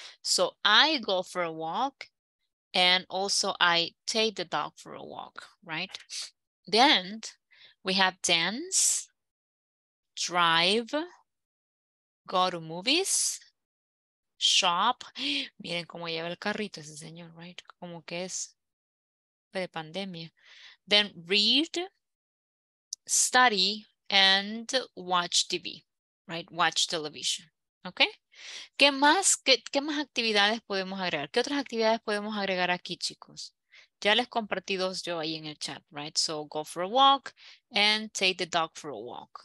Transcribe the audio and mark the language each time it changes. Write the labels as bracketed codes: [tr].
[en] So I go for a walk and also I take the dog for a walk, right? Then we have dance, drive, go to movies, shop. [es] Miren cómo lleva el carrito ese señor, right? Como que es de pandemia. [en] Then read, study, and watch TV, right? Watch television, okay? [es] ¿Qué más, qué más actividades podemos agregar? ¿Qué otras actividades podemos agregar aquí, chicos? Ya les compartí dos yo ahí en el chat, right? [en] So go for a walk and take the dog for a walk.